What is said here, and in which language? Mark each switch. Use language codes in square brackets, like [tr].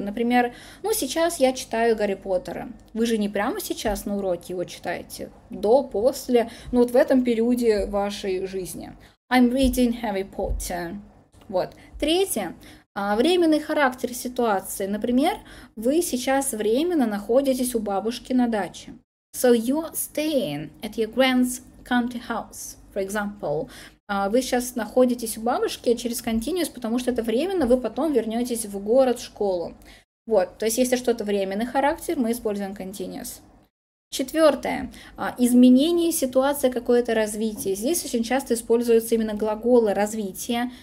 [ru] Например, ну сейчас я читаю Гарри Поттера. Вы же не прямо сейчас на уроке его читаете. До, после, ну вот в этом периоде вашей жизни. [en] I'm reading Harry Potter. [ru] Вот. Третье. Временный характер ситуации. Например, вы сейчас временно находитесь у бабушки на даче. [en] So you're staying at your grand's country house, for example. [ru] Вы сейчас находитесь у бабушки через continuous, потому что это временно, вы потом вернетесь в город, в школу. Вот, то есть если что-то временный характер, мы используем continuous. Четвертое. Изменение ситуации, какое-то развитие. Здесь очень часто используются именно глаголы развития.